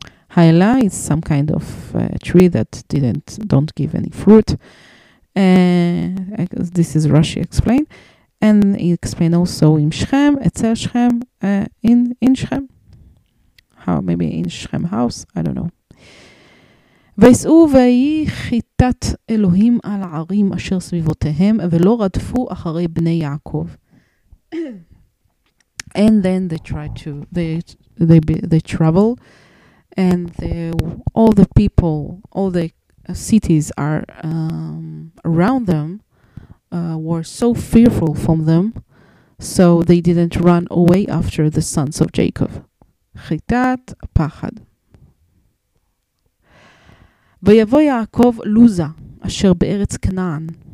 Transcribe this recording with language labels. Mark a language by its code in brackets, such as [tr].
[en] Haela is some kind of tree that don't give any fruit. This is Rashi explained, and he explained also in Shechem, etzel Shechem, in Shechem, how maybe in Shechem house, I don't know. [he] ויסעו ויהי חיטת אלוהים על הערים אשר סביבותיהם, ולא רדפו אחרי בני יעקב. [en] And then they tried to, they travel, and all the people, all the cities are around them, were so fearful from them, so they didn't run away after the sons of Jacob. [he] חיטת פחד. ויבוא יעקב לוזה אשר בארץ כנען.